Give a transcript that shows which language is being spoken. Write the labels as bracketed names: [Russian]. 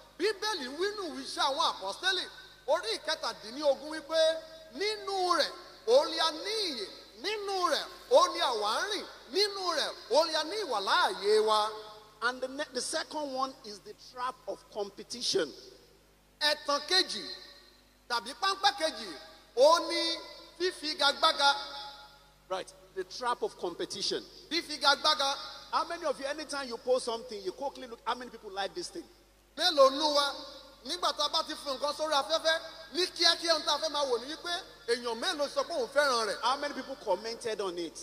[Yoruba] Bíbélì wínú ìṣẹ́ àwọn apọ́sẹ́lì orí ìkẹtàdínlógún wípé nínú rẹ̀ òun a ní ìyè, nínú rẹ̀ òun ni àwa ń rìn, nínú rẹ̀ òun a ní ìwà láàyè wa. [English] And the second one is the trap of competition. [Yoruba] Ẹ̀tàn kejì tàbí pánpẹ́ kejì ó ní fífigagbága. [English] Right, the trap of competition. [Yoruba] Fífigagbága. [English] How many of you, anytime you post something, you quickly look how many people like this thing? [Yoruba] Mélòó nu wa nígbà tá a bá ti fi nǹkan sórí afẹ́fẹ́ ní kíákíá ohun tá a fẹ́ máa wò ní wípé èèyàn mélòó sọ pé òun fẹ́ràn rẹ̀. [English] How many people commented on it?